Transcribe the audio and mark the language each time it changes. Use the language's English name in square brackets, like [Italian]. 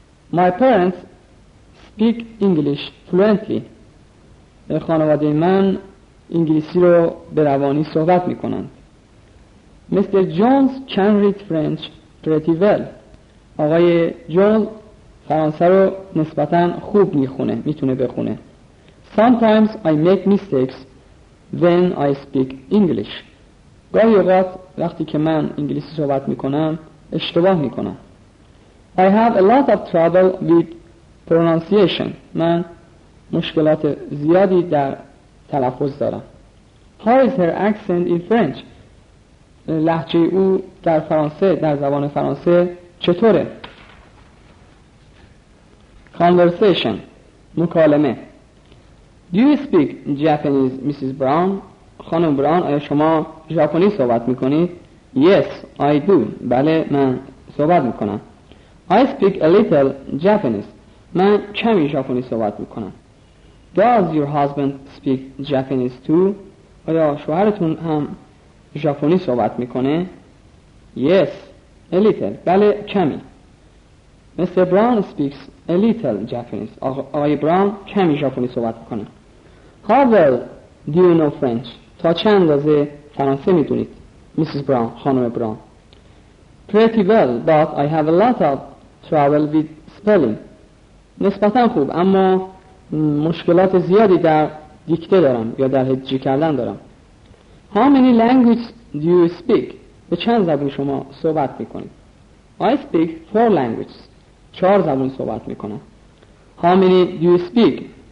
[English] My parents speak English fluently. [Persian] خانواده من انگلیسی رو به روانی صحبت میکنند. [English] Mr. Jones can read French pretty well. [Persian] آقای جونز فرانسه رو نسبتاً خوب میخونه, میتونه بخونه. [English] Sometimes I make mistakes when I speak English. [Persian] گاهی اوقات وقتی که من انگلیسی صحبت میکنم اشتباه میکنم. [English] I have a lot of trouble with pronunciation. [Persian] من مشکلات زیادی در تلفظ دارم. [English] How is her accent in French? [Persian] لهجه او در فرانسه, در زبان فرانسه چطوره؟ Conversation مکالمه. [English] Do you speak Japanese, Mrs. Brown? [Persian] خانم براون, آیا شما ژاپنی صحبت میکنید؟ [English] Yes, I do. [Persian] بله من صحبت میکنم. [English] I speak a little Japanese. [Persian] من کمی ژاپنی صحبت میکنم. [English] Does your husband speak Japanese too? [Persian] آیا شوهرتون هم ژاپنی صحبت میکنه؟ [English] Yes, a little. [Persian] بله کمی. [English] Mr. Brown speaks a little Japanese. [Persian] آقای براون کمی ژاپنی صحبت میکنه. [English] How well do you know French? [Persian] تا چند اندازه فرانسه میدونید؟ Mrs. Brown, خانم براون. [English] Pretty well, but I have a lot of trouble with spelling. [Persian] نسبتا خوب, اما مشکلات زیادی در دیکته دارم یا در هجی کردن دارم. [English] How many languages do you speak? [Persian] به چند زبان شما صحبت میکنید؟ [English] I speak 4 languages. [Persian] 4 زبان صحبت میکنم. [English] How many do you speak?